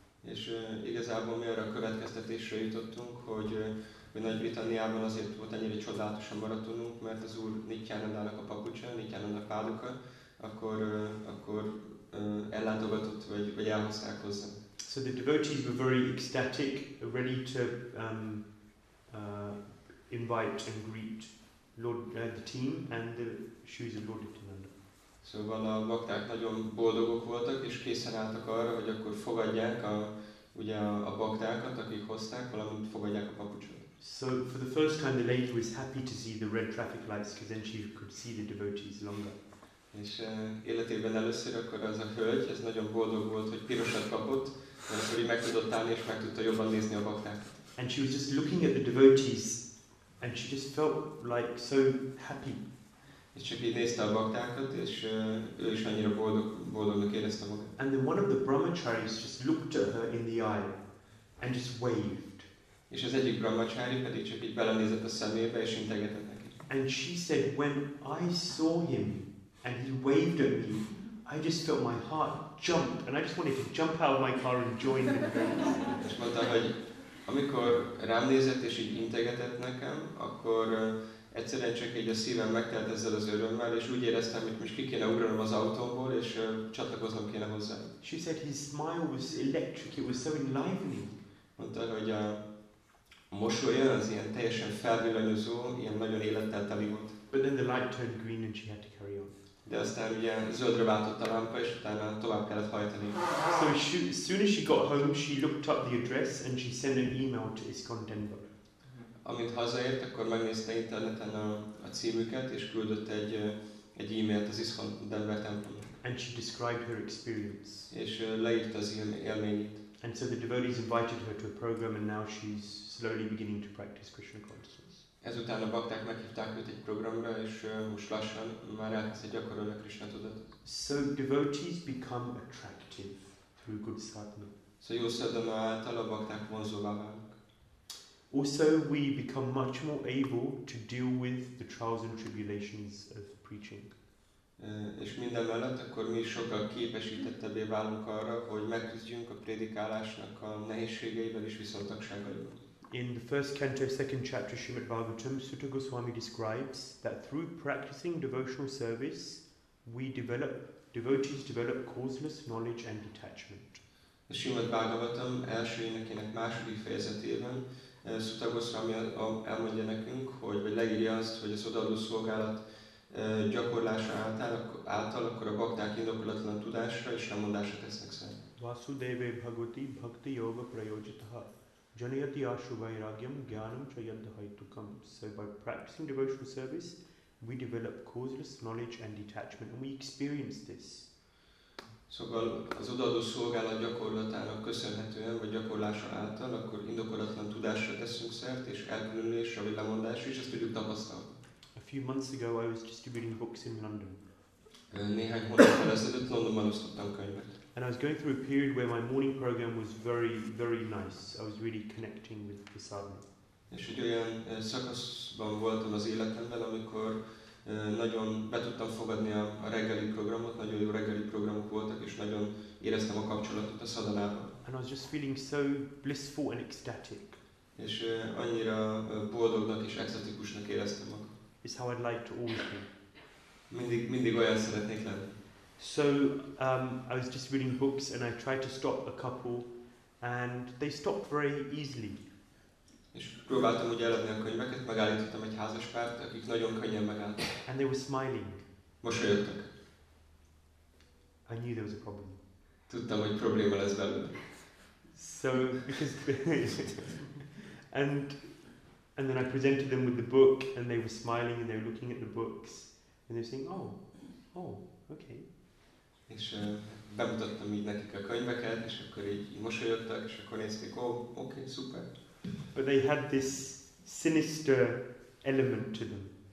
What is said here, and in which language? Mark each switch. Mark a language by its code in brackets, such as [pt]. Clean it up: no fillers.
[hu] És igazából mi arra a következtetésre jutottunk, hogy Nagy-Britanniában azért volt ennyire csodálatos a maratonunk, mert az Úr Nityanandának a papucsa, Nityanandának Paduka, akkor ellátogatott, vagy elhozták hozzá. [en] So the devotees were very ecstatic, ready to invite and greet the team and the shoes of Lord Nityananda. [hu] Szóval a bakták nagyon boldogok voltak és készen álltak arra, hogy akkor fogadják a baktákat, akik hozták, valamint fogadják a papucsot. [en] So for the first time the lady was happy to see the red traffic lights because then she could see the devotees longer. [hu] És életében először akkor az a hölgy, ez nagyon boldog volt, hogy pirosat kapott, mert akkor így meg tudott állni és meg tudta jobban nézni a baktákat. [en] And she was just looking at the devotees and she just felt like so happy. [hu] És csak így nézte a baktákat, és ő is annyira boldognak érezte magát. [en] And then one of the brahmacharis just looked at her in the eye and just waved. [hu] És az egyik brahmacari pedig csak így belenézett a szemébe, és integetett neki. [en] And she said, when I saw him and he waved at me, I just felt my heart jump and I just wanted to jump out of my car and join him. [hu] És mondta, hogy amikor rám nézett és így integetett nekem, akkor egyszerűen csak így a szívem megtelt ezzel az örömmel, és úgy éreztem, hogy most ki kéne ugranom az autóból, és csatlakoznom kéne hozzá. [en] She said his smile was electric, it was so enlivening. [hu] Mondta, hogy a mosolya az ilyen teljesen felvillanyozó, ilyen nagyon élettel teli volt. [en] But then the light turned green and she had to carry on. [hu] De aztán ugye zöldre váltott a lámpa, és utána tovább kellett hajtani. [en] So as soon as she got home, she looked up the address and she sent an email to ISKCON Denver. [hu] Amint hazaért, akkor megnézte interneten a címüket, és küldött egy e-mailt az ISKCON Denver templomnak. [en] And she described her experience. [hu] És leírta az élményét. [en] And so the devotees invited her to a program, and now she's slowly beginning to practice Krishna consciousness. [hu] Ezután a bakták meghívták őt egy programra, és most lassan már elkezdte gyakorolni a Krishna tudatot. [en] So devotees become attractive through good sadhana. [hu] So jó sadhana által a bakták vonzóvá válnak. [en] Also, we become much more able to deal with the trials and tribulations of preaching. [hu] És minden mellett akkor mi sokkal képesítettebbé válunk arra, hogy megküzdjünk a prédikálásnak a nehézségeivel és viszontagságaival. [en] In the first canto, second chapter, Srimad Bhagavatam, Sutta Goswami describes that through practicing devotional service, devotees develop causeless knowledge and detachment. [hu] A Srimad Bhagavatam első énekének második fejezetében Sutta Goswami elmondja nekünk, vagy leírja azt, hogy az odaadó szolgálat gyakorlása által akkor a bakták indokolatlan tudásra és lemondásra tesznek szert. [sa] Vasudeve Bhagavati Bhakti Yoga Prayojitaha Janayati Ashu Vairagyam Gyanam Chayadhaitukam. [en] So by practicing devotional service, we develop causeless knowledge and detachment, and we experience this. [hu] Szóval az odaadó szolgálat gyakorlatának köszönhetően, vagy gyakorlása által, akkor indokolatlan tudásra teszünk szert, és elkülönülésre, vagy lemondásra, és ezt tudjuk tapasztalni. [en] A few months ago, I was distributing books in London. [hu] Néhány hónappal ezelőtt Londonban osztottam könyvet. [en] And I was going through a period where my morning program was very, very nice. I was really connecting with the sadhana. [hu] És egy olyan szakaszban voltam az életemben, amikor nagyon be tudtam fogadni a reggeli programot, nagyon jó reggeli programok voltak, és nagyon éreztem a kapcsolatot a sadhanával. [en] And I was just feeling so blissful and ecstatic. [hu] És annyira boldognak és ecstatikusnak éreztem magam. [en] Is how I'd like to always be. [hu] Mindig olyan szeretnék lenni. [en] So I was just reading books and I tried to stop a couple and they stopped very easily. [hu] És próbáltam ugye eladni a könyveket, megállítottam egy házaspárt, akik nagyon könnyen megálltak. [en] And they were smiling. [hu] Mosolyogtak. [en] I knew there was a problem. [hu] Tudtam, hogy probléma lesz belőle. [en] So because And then I presented them with the book, and they were smiling, and they were looking at the books, and they were saying, oh, okay. [hu] És bemutattam így nekik a könyveket, és akkor így mosolyogtak, és akkor nézték, [en] oh, okay, [hu] super. [en] But they had this sinister element to them.